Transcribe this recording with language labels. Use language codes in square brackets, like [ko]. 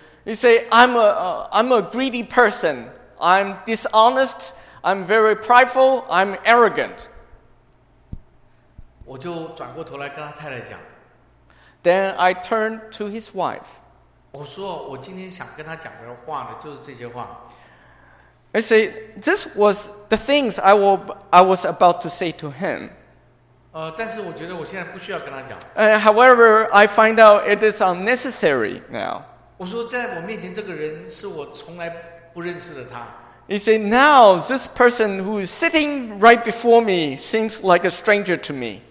[en] You say I'm a greedy person. I'm dishonest. I'm very prideful. I'm arrogant. [zh] 我就转过头来跟他太太讲。 [en] Then I turned to his wife. [zh] 我说我今天想跟他讲的话呢，就是这些话。 [en] I say, this was the things I was about to say to him. [zh] 但是我觉得我现在不需要跟他讲。 [en] However, I find out it is unnecessary now. [zh] 我说在我面前这个人是我从来不认识的他。 [en] He say, now this person who is sitting right before me seems like a stranger to me.